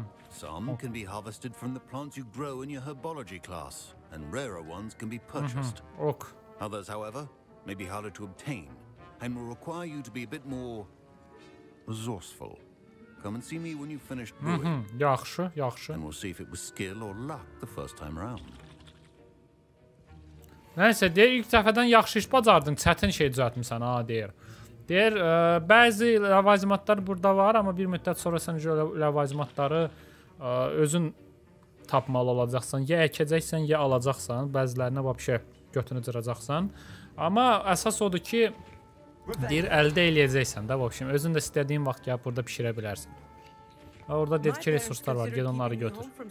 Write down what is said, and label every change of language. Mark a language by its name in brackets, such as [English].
[English] Some can be harvested from the plants you grow in your herbology class, and rarer ones can be purchased. Ok. Others, however, may be harder to obtain, and will require you to be a bit more resourceful. Come and see me when you've finished brewing. [Azerbaijani] Yaxşı, yaxşı. [English] And we'll see if it was skill or luck the first time round. [Azerbaijani] Nəsə, deyir, ilk dəfədən yaxşı iş bacardın, çətin şey düzəltmisən, ha, deyir. Deyir, bəzi ləvazimatlar burada var, amma bir müddət sonra sən o ləvazimatları özün tapmalı olacaqsan. Ya əkəcəksən, ya alacaqsan, bəzilərinə vəbşi götünü cıracaqsan. Amma əsas odur ki, deyir, əldə eləyəcəksən də, vəbşim. Özün də istədiyin vaxt gəlib burada pişirə bilərsin. Orada dedik ki, resurslar var, ged onları götür.